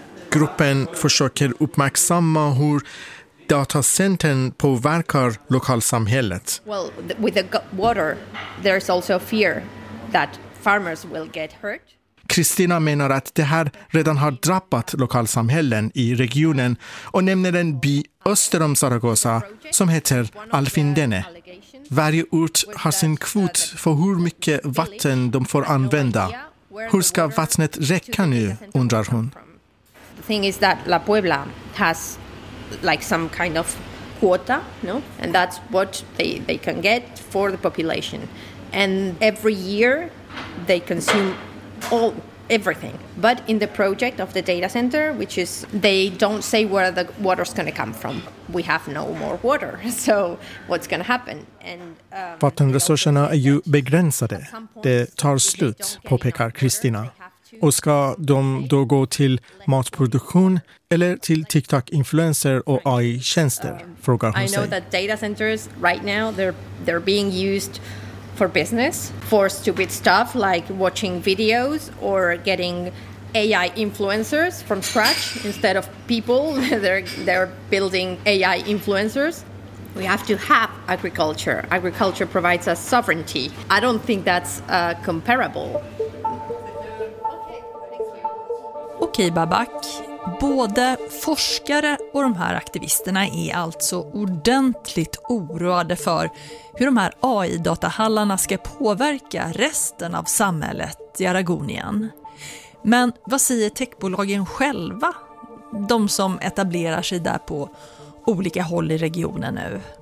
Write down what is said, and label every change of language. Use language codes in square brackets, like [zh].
[sv] Gruppen försöker uppmärksamma hur datacentern påverkar lokalsamhället. [en] Well, with the water there's also fear that farmers will get hurt. [sv] Kristina menar att det här redan har drabbat lokalsamhällen i regionen och nämner en by öster om Zaragoza som heter Alfindene. Varje ort har sin kvot för hur mycket vatten de får använda. Hur ska vattnet räcka nu, undrar hon. [en] The thing is that La Puebla has like some kind of quota, no? And that's what they can get for the population. And every year they consume all everything, but in the project of the data center, which is they don't say where the water's going to come from. We have no more water, so what's going to happen? And [sv] vattenresurserna är ju begränsade. Det tar slut, påpekar Kristina. Och ska de då gå till matproduktion eller till TikTok-influencer och AI-tjänster? Frågar hon sig. [en] I know that data centers right now they're being used for business, for stupid stuff like watching videos or getting AI influencers from scratch instead of people. They're building AI influencers. We have to have agriculture. Agriculture provides us sovereignty. I don't think that's comparable. Okay, Babak. [sv] Både forskare och de här aktivisterna är alltså ordentligt oroade för hur de här AI-datahallarna ska påverka resten av samhället i Aragonien. Men vad säger techbolagen själva, de som etablerar sig där på olika håll i regionen nu?